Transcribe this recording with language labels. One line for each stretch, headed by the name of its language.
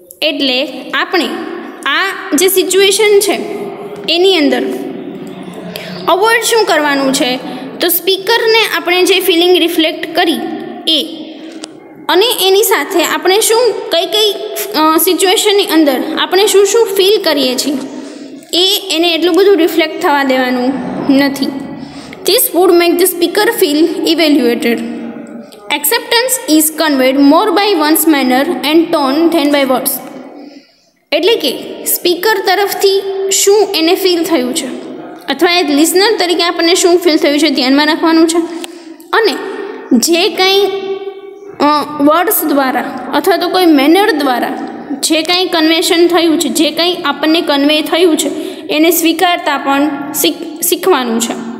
Gujarati: એટલે આપણે આ જે સિચ્યુએશન છે એની અંદર અવોઇડ શું કરવાનું છે તો સ્પીકરને આપણે જે ફિલિંગ રિફ્લેક્ટ કરી એ અને એની સાથે આપણે શું કઈ કઈ સિચ્યુએશનની અંદર આપણે શું શું ફીલ કરીએ છીએ એને એટલું બધું રિફ્લેક્ટ થવા દેવાનું નથી.
English: This would make the speaker feel evaluated. Acceptance is conveyed more by one's manner and tone than by words.
Gujarati: એટલે કે સ્પીકર તરફથી શું એને ફીલ થયું છે અથવા એ લિસનર તરીકે આપણને શું ફીલ થયું છે ધ્યાનમાં રાખવાનું છે. અને જે કંઈ વર્ડ્સ દ્વારા અથવા તો કોઈ મેનર દ્વારા જે કંઈ કન્વેશન થયું છે, જે કંઈ આપણને કન્વે થયું છે, એને સ્વીકારતા પણ શીખવાનું છે.